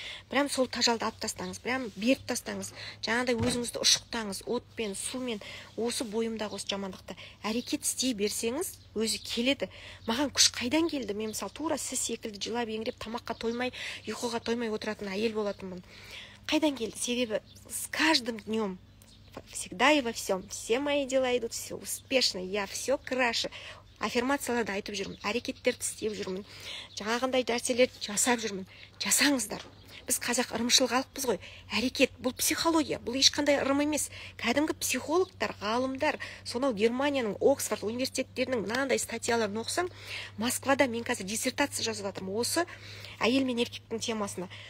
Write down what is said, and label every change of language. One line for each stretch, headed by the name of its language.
Kazakh: Прям сол тажалды алып тастаңыз, прям беріп тастаңыз, жаңағыдай өзіңізді ұшықтаңыз, отпен, сумен, осы бойымдағы осы жамандықты әрекет істей берсеңіз, өзі келеді. Маған күш қайдан келді? Мен мысалы тура сіз секілді жылап еңіреп, тамаққа тоймай, ұйқыға тоймай отыратын әйел болатынмын. Қайдан келді?
Russian: Себебі с каждым днем, всегда и во всем, все мои дела идут, все успешно, я все краше.
Kazakh: Аффирмацияларды айтып жүрмін, әрекеттерді істеп жүрмін, жаңағындай нәрселерді жасап жүрмін. Жасаңыздар, біз қазақ ырымшыл халықпыз ғой. Әрекет, бұл психология, бұл ешқандай ырым емес. Кәдімгі психологтар, ғалымдар, сонау Германияның Оксфорд университеттерінің мынандай статьяларын оқысаң, Москвада мен қазір диссертация жазып жатырмын осы әйел мен еркектің темасына.